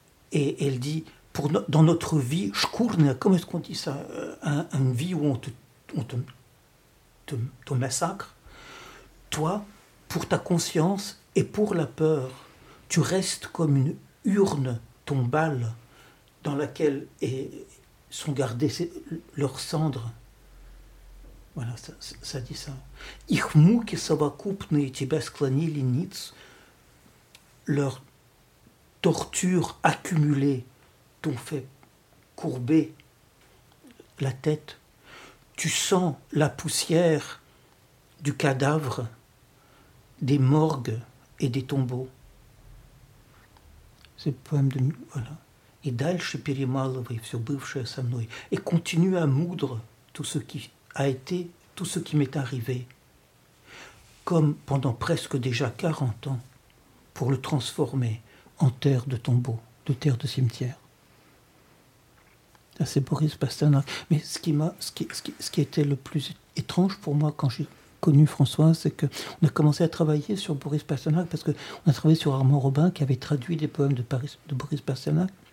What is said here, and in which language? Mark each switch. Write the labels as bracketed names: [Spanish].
[French] Et elle dit, dans notre vie, shkurne, comment est-ce qu'on dit ça, une vie où on te massacre, toi, pour ta conscience et pour la peur, tu restes comme une urne tombale dans laquelle sont gardées leurs cendres. Voilà, ça dit ça. [Russian] Их муки совокупные тебя склонили ниц. [French] Leurs tortures accumulées t'ont fait courber la tête. Tu sens la poussière du cadavre, des morgues et des tombeaux. C'est le poème de... Voilà. Et [Russian] дальше перемалывай все бывшее со мной. [French] Et continue à moudre tout ce qui a été, tout ce qui m'est arrivé, comme pendant presque déjà 40 ans, pour le transformer en terre de tombeau, de terre de cimetière. Là, c'est Boris Pasternak. Mais ce qui était le plus étrange pour moi quand j'ai connu François, c'est qu'on a commencé à travailler sur Boris Pasternak parce qu'on a travaillé sur Armand Robin qui avait traduit des poèmes de Boris Pasternak.